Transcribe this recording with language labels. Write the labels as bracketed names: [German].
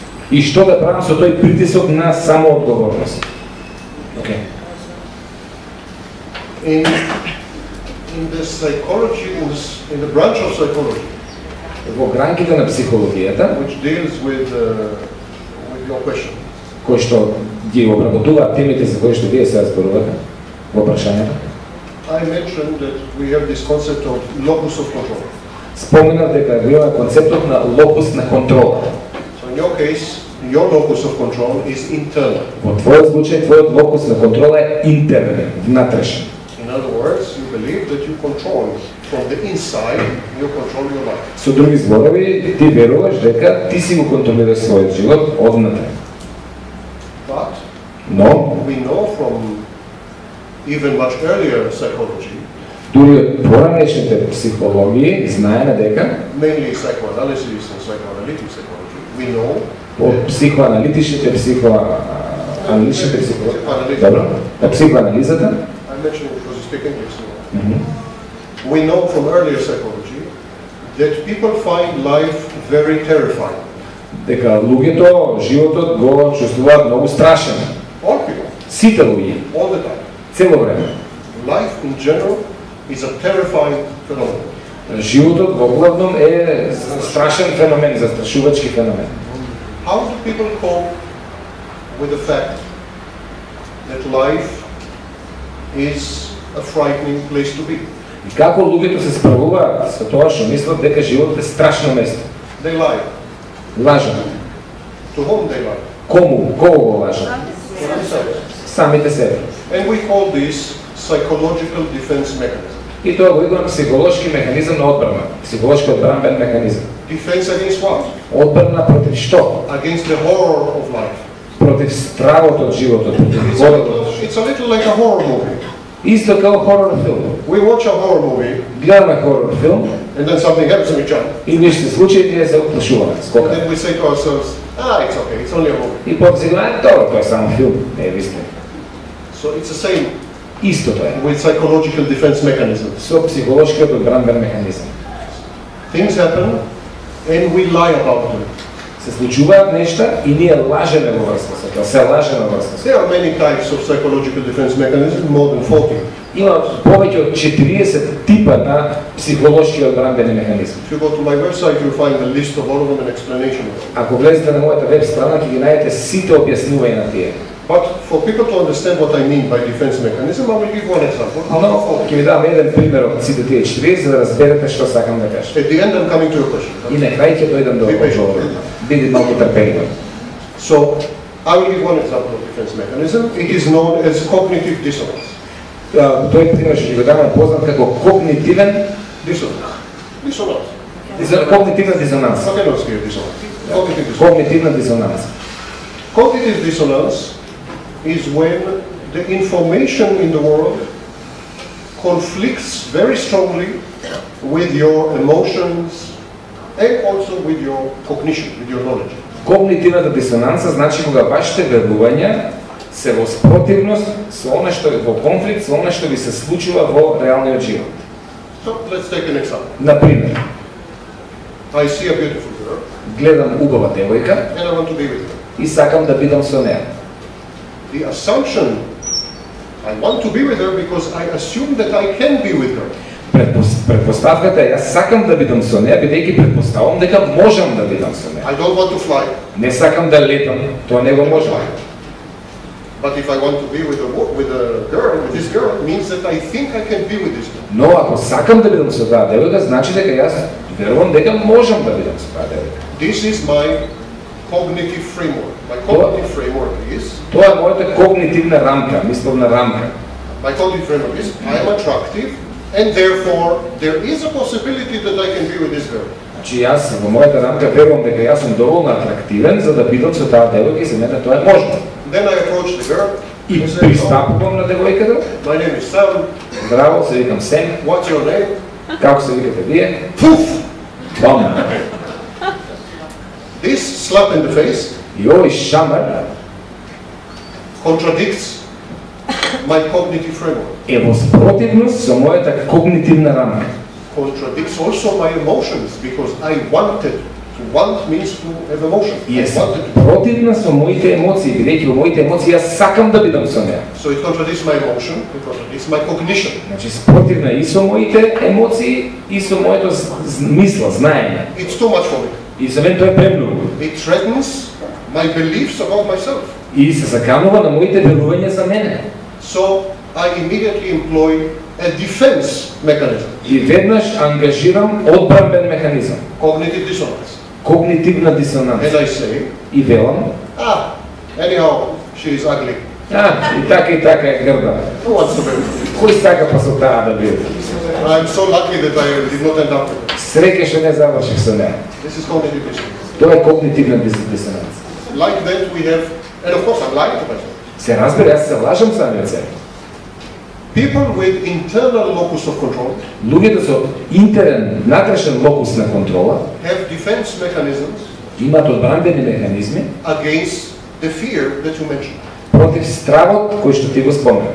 [Macedonian] И што да правам со тој притисок на самоотговорност? [English] Okay. In the psychology, in the branch of psychology, [Macedonian] во гранките на психологијата, [English] which deals with your question, [Macedonian] кој што ги обработува темите за кои што вие се зборувате во прашањето? [English] I mentioned that we have this concept of locus of control. [Macedonian] Споменав дека имаме концептот на локус на контрол. [English] So in your case, your locus of control is internal. [Macedonian] Во твојот случај, твојот локус на контрола е интерен, внатрешен. [English] In other words, you believe that you control from the inside, you control your life. [Macedonian] Со други зборови, ти веруваш дека ти си го контролираш својот живот однатре. [English] But, no, we know from even much earlier psychology, [Macedonian] дури од поранешните психологии, знаеме дека, [English] mainly psychoanalysis and psychoanalytic psychology, we know [Macedonian] од психоаналитичните психоаналитичните психоаналитичните психоаналитичните психоаналитичните [English] we know from earlier psychology that people find life very terrifying. [Macedonian] Дека луѓето животот го чувствуваат многу страшен. [English] All people. [Macedonian] Сите луѓе. [English] All the time. [Macedonian] Цело време. [English] Life in general is a terrifying phenomenon. [Macedonian] Животот во главном е страшен феномен, застрашувачки феномен. [English] How do people cope with the fact that life is a frightening place to be? [Macedonian] И како луѓето се справуваат со тоа што мислат дека животот е страшно место? [English] They lie. [Macedonian] Лажат. [English] To whom they lie? [Macedonian] Кому? Кого го лажат? Самите себе. [English] And we call this psychological defense mechanism. [Macedonian] И тоа го викаме психолошки механизам на одбрана, психолошки одбранбен механизам. [English] Defense against what? [Macedonian] Одбрана против што? [English] Against the horror of life. [Macedonian] Против стравот од животот. [English] It's a little like a horror movie. [Macedonian] Исто како хорор филм. [English] We watch a horror movie. [Macedonian] Гледаме хорор филм. [English] And then something happens and we jump. [Macedonian] И нешто случи и ние се оплашуваме. [English] And then we say to ourselves, ah, it's okay, it's only a movie. [Macedonian] И потсигнаме тоа, тоа е само филм, не е висто. [English] So it's the same. [Macedonian] Исто тоа е. [English] With psychological defense mechanism. [Macedonian] Со психолошкиот одбранбен механизам. [English] Things happen and we lie about them. [Macedonian] Се случуваат нешта и ние лажеме во врска со тоа. Се лажеме во врска. [English] There are many types of psychological defense mechanisms, more than 40. [Macedonian] Има повеќе од 40 типа на психолошки одбранбени механизми. [English] If you go to my website, you'll find a list of all of them and explanation of them. [Macedonian] Ако влезете на мојата веб страна, ќе ги најдете сите објаснувања на тие. [English] But for people to understand what I mean by defense mechanism, I will give one example. [Macedonian] No, ќе ви дам еден пример од сите тие четири за да разберете што сакам да кажам. [English] At the end I'm coming to your question. [Macedonian] И на крај ќе дојдам до одговор. Биди малку трпелив. [English] So, I will give one example of defense mechanism. It is known as cognitive dissonance. [Macedonian] Тој пример што ќе дам е познат како когнитивен дисонанс. Когнитивен дисонанс. Македонски е дисонанс. Когнитивен дисонанс. [English] Когнитивен дисонанс is when the information in the world conflicts very strongly with your emotions and also with your cognition, with your knowledge. [Macedonian] Когнитивната дисонанса значи кога вашите верувања се во спротивност со она што е во конфликт, со она што ви се случува во реалниот живот. [English] So, let's take an example. [Macedonian] Например. [English] I see a beautiful girl. [Macedonian] Гледам убава девојка. [English] And I want to be with her. [Macedonian] И сакам да бидам со неа. [English] The assumption I want to be with her because I assume that I can be with her. [Macedonian] Предпоставката е јас сакам да бидам со неа бидејќи предпоставувам дека можам да бидам со неа. [English] I don't want to fly. [Macedonian] Не сакам да летам, тоа не го можам. [English] But if I want to be with a girl, this girl means that I think I can be with this girl. [Macedonian] Но ако сакам да бидам со таа девојка, значи дека јас верувам дека можам да бидам со таа девојка. [English] This is my cognitive framework. My cognitive framework is. [Macedonian] Тоа е мојата когнитивна рамка, мисловна рамка. [English] My cognitive framework is I am attractive and therefore there is a possibility that I can be with this girl. [Macedonian] Значи јас во мојата рамка верувам дека јас сум доволно атрактивен за да бидам со таа девојка и за мене тоа е можно. [English] Then I approach the girl. [Macedonian] И пристапувам на девојката. [English] My name is Sam. [Macedonian] Здраво, се викам Сем. [English] What's your name? [Macedonian] Како се викате вие? Пуф! Бам! [English] This slap in the face. [Macedonian] И овој шамар. [English] Contradicts my cognitive framework. [Macedonian] Е во спротивност со мојата когнитивна рамка. [English] Contradicts also my emotions because I wanted. Want means to have emotion. Yes. [Macedonian] Противна со моите емоции, бидејќи во моите емоции јас сакам да бидам со неа. [English] So it contradicts my emotion, it's my cognition. [Macedonian] Значи спротивна и со моите емоции и со моето мисло, знаење. [English] It's too much for me. [Macedonian] И за мен тоа е премногу. [English] It threatens my beliefs about myself. [Macedonian] И се заканува на моите верувања за мене. [English] So I immediately employ a defense mechanism. [Macedonian] И веднаш ангажирам одбранбен механизам. [English] Cognitive dissonance. [Macedonian] Когнитивна дисонанс. [English] As I say, [Macedonian] и велам. [English] Anyhow, she is ugly. [Macedonian] И така и така е грда. Кој сака па со таа да биде? [English] I'm so lucky that I did not end up. [Macedonian] Среќа што не завршив со неа. [English] This is cognitive dissonance. [Macedonian] Тоа е когнитивна дисонанс. [English] Like that we have, and of course I'm lying to myself. [Macedonian] Се разбери, јас се лажам самиот себе. [English] People with internal locus of control. [Macedonian] Луѓето со интерен, внатрешен локус на контрола. [English] Have defense mechanisms. [Macedonian] Имаат одбранбени механизми. [English] Against the fear that you mentioned. [Macedonian] Против стравот кој што ти го спомнав.